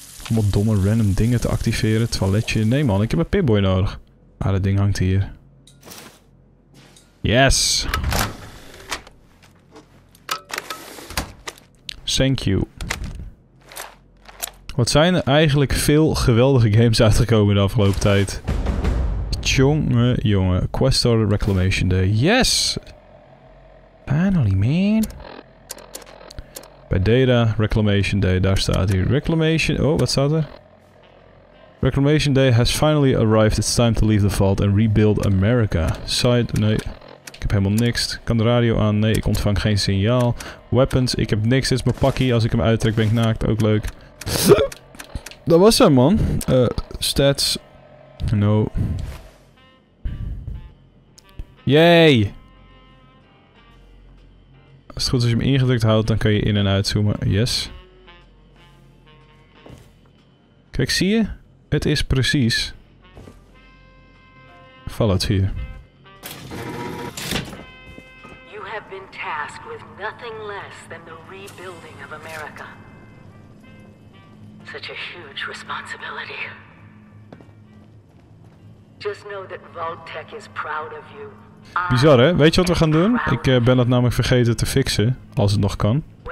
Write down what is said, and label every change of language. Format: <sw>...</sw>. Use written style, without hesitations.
<nl>Om op domme random dingen te activeren. Toiletje. Nee man, ik heb een Pip-Boy nodig. Ah, dat ding hangt hier. Yes!</nl> <en>Thank you.</en> <nl>Wat zijn er eigenlijk veel geweldige games uitgekomen de afgelopen tijd? Tjongejonge.</nl> <en>Quest started Reclamation Day. Yes! Finally, man.</en> <nl>Bij Data, Reclamation Day. Daar staat hij. Reclamation... Oh, wat staat er?</nl> <en>Reclamation Day has finally arrived. It's time to leave the vault and rebuild America.</en> <nl>Side... Nee. Ik heb helemaal niks. Kan de radio aan? Nee, ik ontvang geen signaal. Weapons. Ik heb niks. Dit is mijn pakkie. Als ik hem uittrek, ben ik naakt. Ook leuk. Dat was hem, man. Stats. No. Yay! Als het goed is, als je hem ingedrukt houdt, dan kan je in- en uitzoomen.</nl> <en>Yes.</en> <nl>Kijk, zie je? Het is precies... Fallout 4.</nl> <en>You have been tasked with nothing less than the rebuilding of America. Such a huge responsibility. Just know that Vault-Tec is proud of you.</en> <nl>Bizar, hè? Weet je wat we gaan doen? Ik ben dat namelijk vergeten te fixen, als het nog kan.</nl>